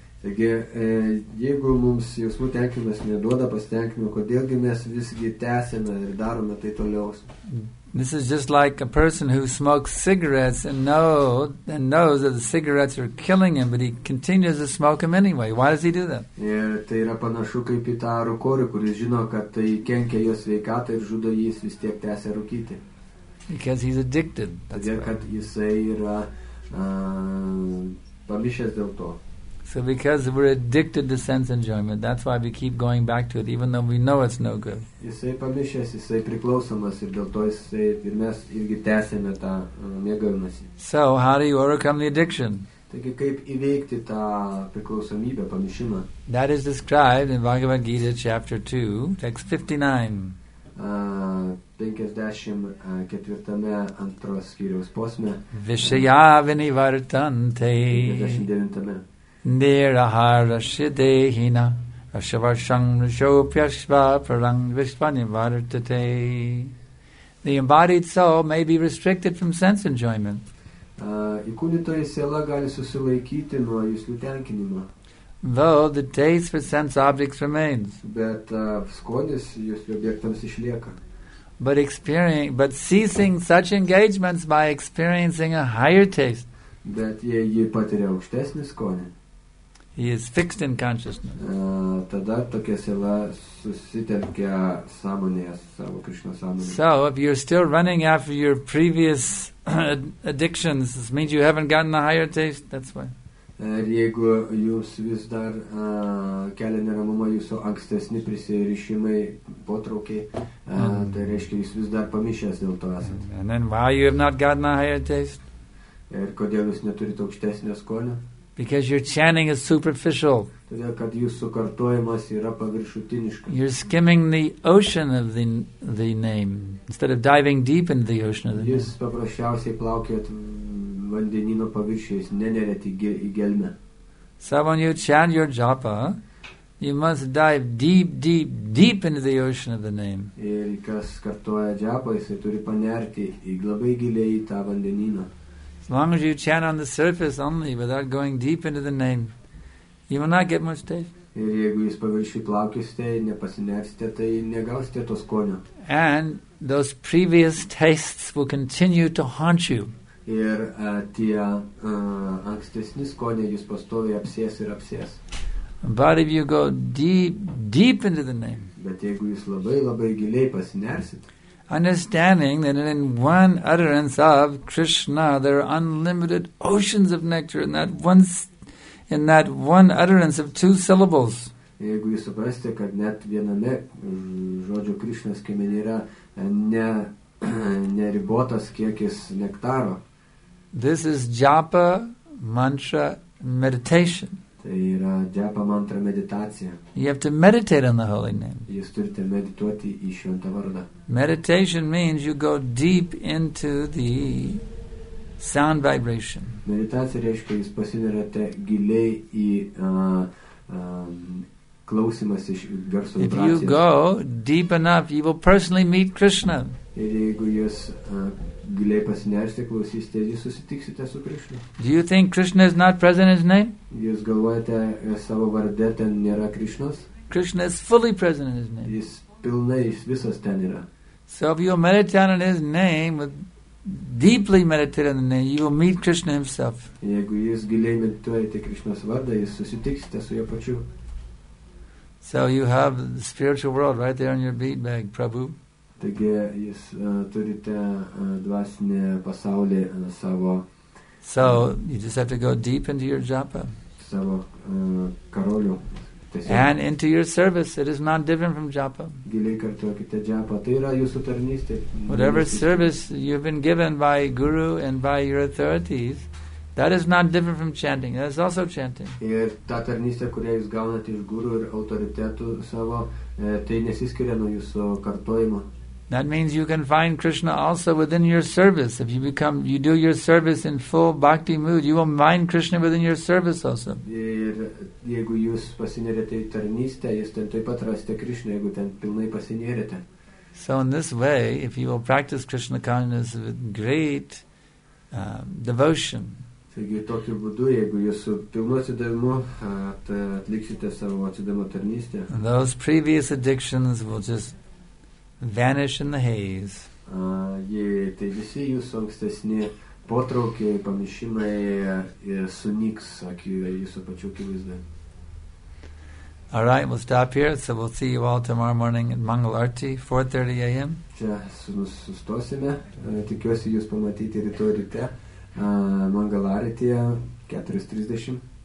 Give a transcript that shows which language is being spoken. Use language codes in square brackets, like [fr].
[lt] Taigi, jeigu mums jausmų tenkinimas neduoda pasitenkinimo, kodėlgi mes visgi tęsiame ir darome tai toliau? [en] This is just like a person who smokes cigarettes and knows that the cigarettes are killing him, but he continues to smoke them anyway. Why does he do that? [lt] Ir tai yra panašu kaip į tą rūkorių, kuris žino, kad tai kenkia jo sveikatą ir žudo jis vis tiek tęsia rūkyti. [en] Because he's addicted. [lt] That's todėl, kad jisai yra pamišęs dėl to. [en] So because we're addicted to sense enjoyment, that's why we keep going back to it, even though we know it's no good. [lt] Jisai pamišęs, jisai priklausomas, ir dėl to jisai, ir mes irgi tęsėme tą mėgavimąsi. [en] So how do you overcome the addiction? [lt] Taigi kaip įveikti tą priklausomybę, pamišimą? [en] That is described in Bhagavad Gita, chapter 2, text 59. [lt] 54-ame antros skyriaus posme. [sa] Vishaya vinivartante. [lt] 59-ame. [sa] Nirahara shidehina rashavarsham shopyashva parang vishvani vartate. [en] The embodied soul may be restricted from sense enjoyment. [lt] Įkūnitoji siela gali susilaikyti nuo jūslių tenkinimo. [en] Though the taste for sense objects remains. [lt] Bet skonis jūslių objektams išlieka. [en] But ceasing such engagements by experiencing a higher taste. [lt] Bet jie patiria aukštesnį skonį. [en] He is fixed in consciousness. [lt] Tada tokia siela susitelkia sąmonėje, savo Krishna sąmonėje. [en] So, if you're still running after your previous addictions, this means you haven't gotten the higher taste, that's why. [lt] Ir jeigu jūs vis dar kelia neramumą jūsų ankstesni prisirišimai, potraukiai, tai reiškia, jūs vis dar pamišęs dėl to esat. [en] And then why you have not gotten the higher taste? [lt] Ir kodėl jūs neturite aukštesnio skonio? [en] Because your chanting is superficial. [lt] Todėl, kad jūsų kartojimas yra paviršutiniškas. [en] You're skimming the ocean of the name instead of diving deep into the ocean of the [lt] jūs [en] name. [lt] Paprasčiausiai plaukiat vandenino paviršiais, neneriat į gelmę. [en] So when you chant your japa, you must dive deep, deep, deep into the ocean of the name. [lt] Ir kas kartoja japa, jisai turi panerti į labai giliai į tą vandenyną. [en] As long as you chant on the surface only, without going deep into the name, you will not get much taste. [lt] Ir jeigu jūs paviršiui plaukiste, nepasinersite, tai negausite to skonio. [en] And those previous tastes will continue to haunt you. [lt] Ir tie ankstesni skoniai jūs pastoviai apsės ir apsės. [en] But if you go deep, deep into the name, [lt] bet jeigu jūs labai, labai giliai pasinersite, [en] understanding that in one utterance of Krishna there are unlimited oceans of nectar in that one utterance of two syllables. [lt] Jeigu jūs suprasite, kad net viename žodžio Krishna skiemenyje yra neribotas kiekis nektaro. [en] This is japa, mantra, meditation. [lt] Tai yra japa, mantra, meditacija. [en] You have to meditate on the holy name. [lt] Jūs turite medituoti į šventą vardą. [en] Meditation means you go deep into the sound vibration. [lt] Meditacija reiškia, jūs pasinerate giliai į klausimas iš garso vibracijos. [en] If you go deep enough, you will personally meet Krishna. [lt] Ir jeigu jūs giliai pasinersite, klausysite, jūs susitiksite su Krishna. [en] Do you think Krishna is not present in his name? [lt] Jūs galvojate, savo varde ten nėra Krishnas? [en] Krishna is fully present in his name. [lt] Jis pilnai, jis visas ten yra. [en] So if you meditate on his name, deeply meditate on the name, you will meet Krishna himself. [lt] Jeigu jūs giliai medituojate Krishnas vardą, jūs susitiksite su jo pačiu. [en] So you have the spiritual world right there on your beat bag, Prabhu. [lt] Taigi jūs turite dvasinį pasaulį savo. [en] So you just have to go deep into your japa. [lt] Savo karolių. [en] And into your service, it is not different from japa. [lt] Giliai kartuokite japa, tai yra jūsų tarnystė. [en] Whatever service you've been given by guru and by your authorities, that is not different from chanting. That is also chanting. [lt] Ir ta tarnystė, kurią jūs gaunate iš guru ir autoritetų savo, tai nesiskiria nuo jūsų kartojimo. [en] That means you can find Krishna also within your service. If you become, you do your service in full bhakti mood, you will find Krishna within your service also. [lt] Ir jeigu jūs pasinerite į tarnystę, jūs ten taip pat rasite Krishna, jeigu ten pilnai pasinerite. [en] So in this way, if you will practice Krishna consciousness with great devotion. [lt] Taigi tokiu būdu, jeigu jūs su pilnu atsidavimu atliksite savo atsidavimo tarnystę. [en] Those previous addictions will just vanish in the haze. [lt] Tai visi jūsų ankstesni potraukiai, pamišimai sunyks jūsų pačių akivaizdoje. [en] All right, we'll stop here, so we'll see you all tomorrow morning at Mangal Arti, 4:30 a.m. [lt] Čia sustosime, tikiuosi jūs pamatyti rytoj ryte, Mangal Arti, 4:30.